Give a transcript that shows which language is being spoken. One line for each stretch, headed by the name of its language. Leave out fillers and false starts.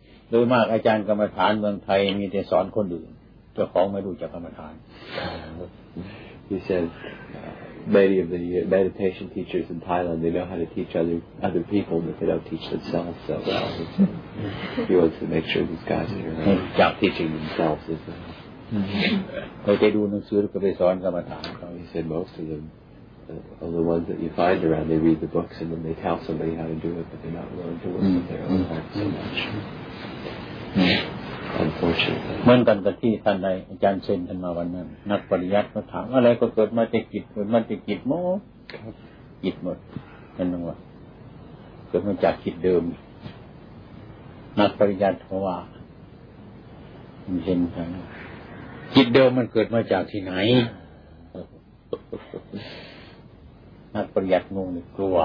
Thai: โดยมากอาจารย์กรรมฐานเมืองไทยมีแต่สอนคนอื่นเจ้าของไม่รู้จักกรรมฐาน
English: He said many of the meditation teachers in Thailand, they know how to teach other people, but they don't teach themselves so well. So he wants to make sure these guys are teaching themselves as well. He said most of them, the ones that you find around, they read the books and then they tell somebody how to do it, but they're not willing to work with their own heart so much.
Thai: เหมือนกันกับที่ท่านในอาจารย์เซนท่านมาวันนั้นนักปริยัติมาถามอะไรก็เกิดมาจากจิตเกิดมาจากจิตโม่จิตหมดนั่นว่าเกิดมาจากจิตเดิมนักปริยัติเพราะว่าเซนท่านจิตเดิมมันเกิดมาจากที่ไหนนักปริยัติงงกลัว